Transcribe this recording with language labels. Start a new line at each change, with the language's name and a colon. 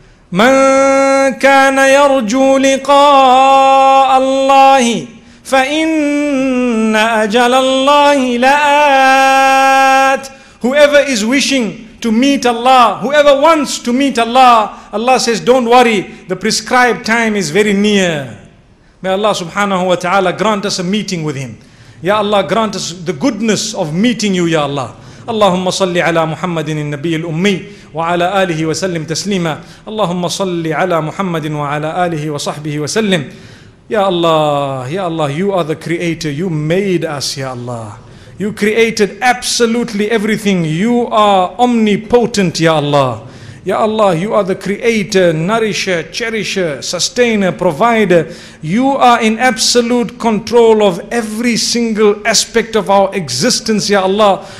Arabic: مَنْ كَانَ يَرْجُو لِقَاءَ اللَّهِ فَإِنَّ أَجَلَ اللَّهِ لَآتٍ.
English: Whoever is wishing to meet Allah, whoever wants to meet Allah, Allah says, don't worry, the prescribed time is very near. May Allah subhanahu wa ta'ala grant us a meeting with Him. Ya Allah, grant us the goodness of meeting You, Ya Allah.
Arabic: اللهم صل على محمد النبي الأمي وعلى آله وسلم تسليما. اللهم صل على محمد وعلى آله وصحبه وسلم.
English: Ya Allah, Ya Allah, You are the Creator. You made us, Ya Allah. You created absolutely everything. You are omnipotent, Ya Allah. Ya Allah, You are the Creator, Nourisher, Cherisher, Sustainer, Provider. You are in absolute control of every single aspect of our existence, Ya Allah.